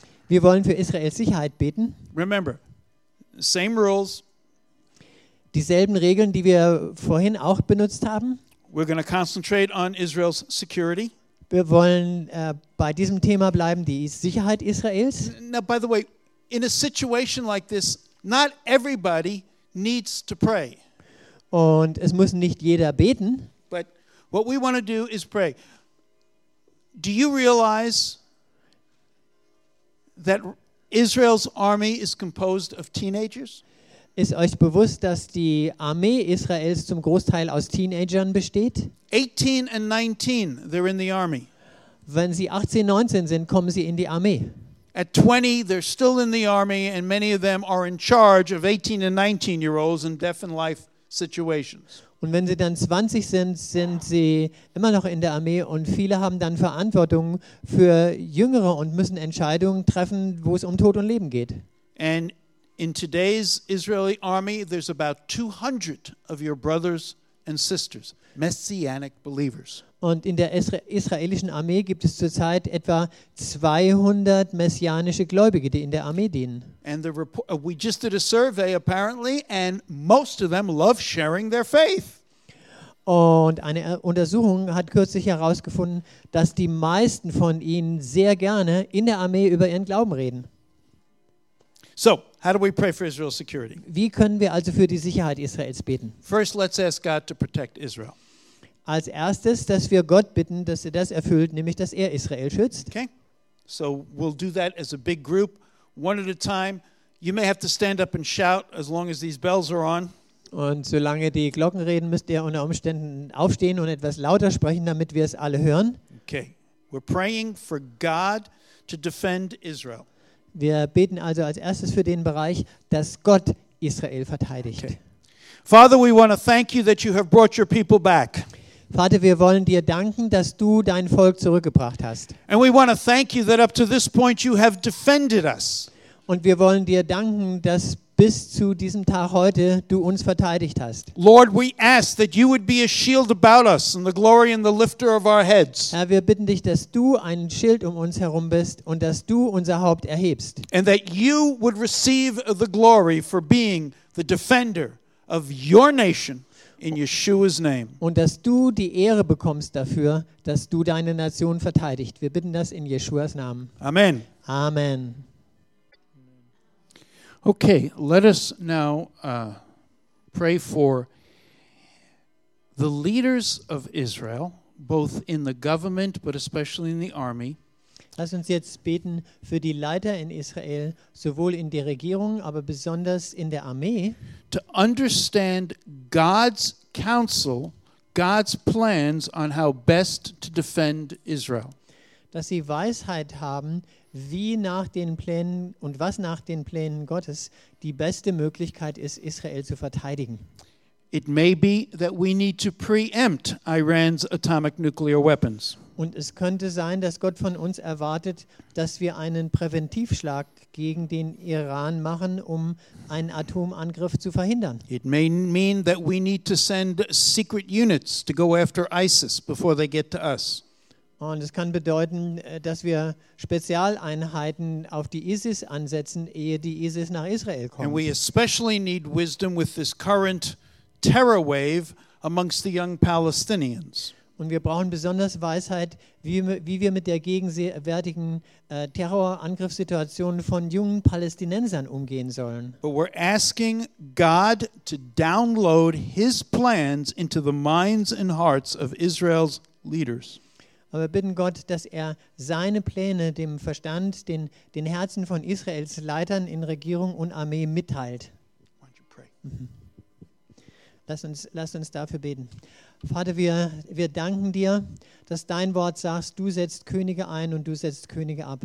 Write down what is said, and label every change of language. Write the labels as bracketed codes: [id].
[de] Wir wollen für Israels Sicherheit beten. [en] Remember, same rules. [de] Dieselben Regeln, die wir vorhin auch benutzt haben. [en] We're going to concentrate on Israel's security. [de] Wir wollen bei diesem Thema bleiben, die Sicherheit Israels. [en] Now, by the way, in a situation like this, not everybody needs to pray. [de] Und es muss nicht jeder beten. [en] But what we want to do is pray. Do you realize that Israel's army is composed of teenagers? [de] Ist euch bewusst, dass die Armee Israels zum Großteil aus Teenagern besteht? [en] 18 and 19, they're in the army. [de] Wenn sie 18, 19 sind, kommen sie in die Armee. [en] At 20, they're still in the army and many of them are in charge of 18 and 19 year olds in death and life situations. [de] Und wenn sie dann 20 sind, sind sie immer noch in der Armee und viele haben dann Verantwortung für Jüngere und müssen Entscheidungen treffen, wo es um Tod und Leben geht. [en] And in today's Israeli army, there's about 200 of your brothers and sisters, messianic believers. [de] Und in der israelischen Armee gibt es zurzeit etwa 200 messianische Gläubige, die in der Armee dienen. [en] And the we just did a survey apparently, and most of them love sharing their faith. [de] Und eine Untersuchung hat kürzlich herausgefunden, dass die meisten von ihnen sehr gerne in der Armee über ihren Glauben reden. [en] So, how do we pray for Israel's security? [de] Wie können wir also für die Sicherheit Israels beten? [en] First, let's ask God to protect Israel. [de] Als erstes, dass wir Gott bitten, dass er das erfüllt, nämlich dass er Israel schützt. [en] Okay. So we'll do that as a big group, one at a time. You may have to stand up and shout as long as these bells are on. [de] Und solange die Glocken reden, müsst ihr unter Umständen aufstehen und etwas lauter sprechen, damit wir es alle hören. [en] Okay. We're praying for God to defend Israel. [de] Wir beten also als erstes für den Bereich, dass Gott Israel verteidigt. [en] Okay. Father, we want to thank you that you have brought your people back. [de] Vater, wir wollen dir danken, dass du dein Volk zurückgebracht hast. [en] And we want to thank you that up to this point you have defended us. [de] Und wir wollen dir danken, dass bis zu diesem Tag heute du uns verteidigt hast. [en] Lord, we ask that you would be a shield about us and the glory and the lifter of our heads. [de] Herr, wir bitten dich, dass du ein Schild um uns herum bist und dass du unser Haupt erhebst. [en] And that you would receive the glory for being the defender of your nation. In Yeshua's name. [de] Und dass du die Ehre bekommst dafür, dass du deine Nation verteidigst. Wir bitten das in Yeshuas Namen. Amen. Amen. [en] Okay, let us now pray for the leaders of Israel, both in the government, but especially in the army. [de] Lass uns jetzt beten für die Leiter in Israel, sowohl in der Regierung, aber besonders in der Armee. [en] To understand God's counsel, God's plans on how best to defend Israel. [de] Dass sie Weisheit haben, wie nach den Plänen und was nach den Plänen Gottes die beste Möglichkeit ist, Israel zu verteidigen. [en] It may be that we need to preempt Iran's atomic nuclear weapons. [de] Und es könnte sein, dass Gott von uns erwartet, dass wir einen Präventivschlag gegen den Iran machen, um einen Atomangriff zu verhindern. [en] It may mean that we need to send secret units to go after ISIS before they get to us. [de] Und es kann bedeuten, dass wir Spezialeinheiten auf die ISIS ansetzen, ehe die ISIS nach Israel kommt. [en] And we especially need wisdom with this current terror wave amongst the young Palestinians. [de] Und wir brauchen besonders Weisheit, wie wir mit der gegenwärtigen Terrorangriffssituation von jungen Palästinensern umgehen sollen. [en] But we're asking God to download his plans into the minds and hearts of Israel's leaders. [de] Aber wir bitten Gott, dass er seine Pläne dem Verstand, den Herzen von Israels Leitern in Regierung und Armee mitteilt. [en] Why don't you pray? [de] Lass uns dafür beten. Vater, wir danken dir, dass dein Wort sagst, du setzt Könige ein und du setzt Könige ab.